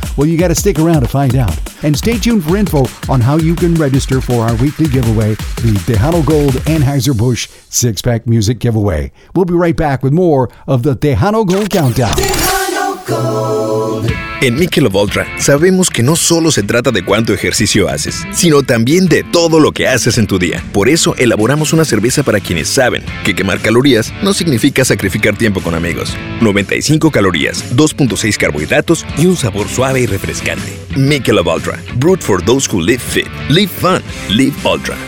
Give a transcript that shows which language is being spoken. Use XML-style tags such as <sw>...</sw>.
<en>Well, you gotta stick around to find out. And stay tuned for info on how you can register for our weekly giveaway, the Tejano Gold Anheuser-Busch six-pack music giveaway. We'll be right back with more of the Tejano Gold Countdown. Tejano Gold.</en> <es>En Michelob Ultra sabemos que no solo se trata de cuánto ejercicio haces, sino también de todo lo que haces en tu día. Por eso elaboramos una cerveza para quienes saben que quemar calorías no significa sacrificar tiempo con amigos. 95 calorías, 2.6 carbohidratos y un sabor suave y refrescante.</es> <en>Michelob Ultra, brewed for those who live fit, live fun, live ultra.</en>